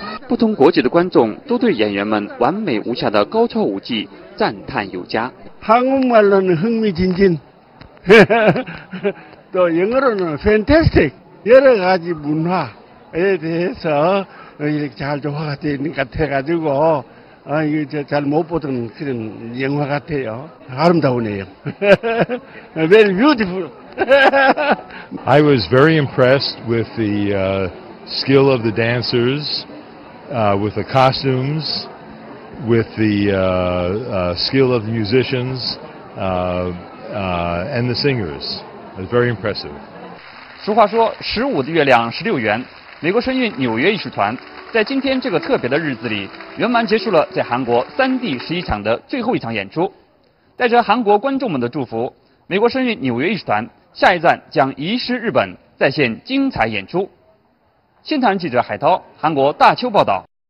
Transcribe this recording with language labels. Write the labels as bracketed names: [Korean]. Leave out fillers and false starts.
[Chinese] 不同国籍的观众都对演员们完美无瑕的高超舞技赞叹有加。 [Korean] 한국말로는흥미진진또영어로는 fantastic 여러가지문화에대해서이렇게잘조화가되어있는것같아가지고아이거잘못보던그런영화같아요아름다우네요 [English] very beautiful I was very impressed with the skill of the dancers with the costumes with the skill of the musicians and the singers It was very impressive [Chinese] 俗话说十五的月亮十六圆美国声韵纽约艺术团在今天这个特别的日子里圆满结束了在韩国三地十一场的最后一场演出带着韩国观众们的祝福美国声韵纽约艺术团下一站将移师日本再现精彩演出现场记者海涛韩国大邱报道